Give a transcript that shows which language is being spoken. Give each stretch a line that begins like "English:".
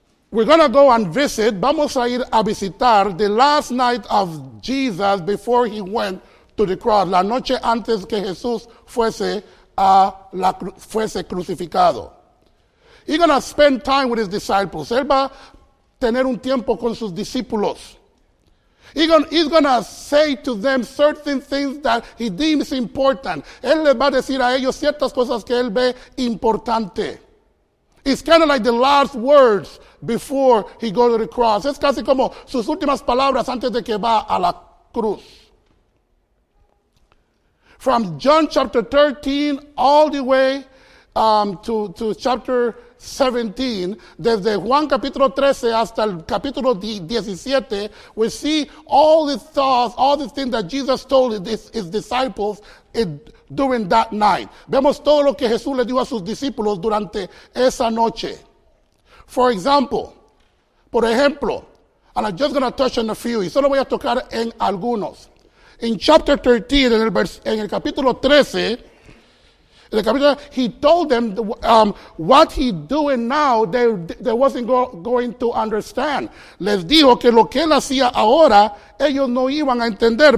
English: We're going to go and visit,
Spanish: vamos a ir a visitar,
English: the last night of Jesus before He went to the cross.
Spanish: La noche antes que Jesús fuese crucificado.
English: He's going to spend time with His disciples.
Spanish: Él va a tener un tiempo con sus discípulos.
English: He's going to say to them certain things that He deems important.
Spanish: Él les va a decir a ellos ciertas cosas que Él ve importante.
English: It's kind of like the last words before He goes to the cross.
Spanish: Es casi como sus últimas palabras antes de que va a la cruz.
English: From John chapter 13 all the way to chapter 17,
Spanish: desde Juan capítulo 13 hasta el capítulo 17,
English: we see all the thoughts, all the things that Jesus told His disciples during that night.
Spanish: Vemos todo lo que Jesús le dio a sus discípulos durante esa noche. Por ejemplo,
English: and I'm just going to touch on a few,
Spanish: y solo voy a tocar en algunos.
English: In chapter 13, he told them what He doing now, they wasn't going to understand.
Spanish: Les dijo que lo que Él hacía ahora, ellos no iban a entender.